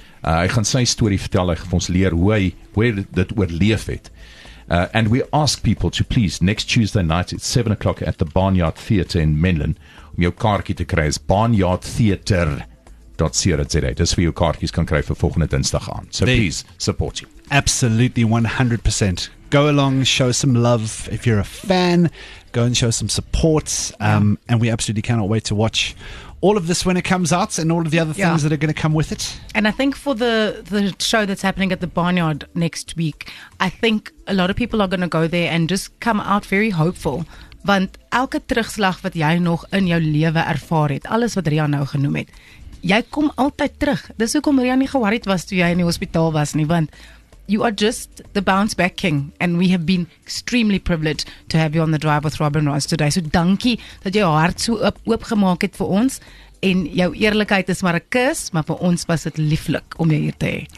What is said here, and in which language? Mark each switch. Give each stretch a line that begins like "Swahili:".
Afrikaans: Hy gaan sy story vertel, hy gaan ons leer hoe hy dit oorleef het.
English: And we ask people to please, next Tuesday night at 7 o'clock at the Barnyard Theatre in Menlyn,
Afrikaans: om jou kaartjie te kry, is
English: barnyardtheatre.co.za.
Afrikaans: Dis vir jou kaartjies kan kry vir volgende Dinsdag aan.
English: So they, please, support you. Absolutely, 100%. Go along, show some love. If you're a fan, go and show some support. And we absolutely cannot wait to watch all of this when it comes out and all of the other things that are going to come with it. And I think for the show that's happening at the Barnyard next week, I think a lot of people are going to go there and just come out very hopeful.
Afrikaans: Want elke terugslag wat jy nog in jou lewe ervaar het, alles wat Rian nou genoem het, jy kom altyd terug. Dis hoekom Rian nie geworried was toe jy in die hospitaal was nie, want
English: you are just the bounce back king, and we have been extremely privileged to have you on The Drive with Rob and Ross today.
Afrikaans: So dankie dat jou hart so oop gemaak het vir ons, en jou eerlikheid is maar 'n kus, maar vir ons was dit lieflik om jou hier te hê.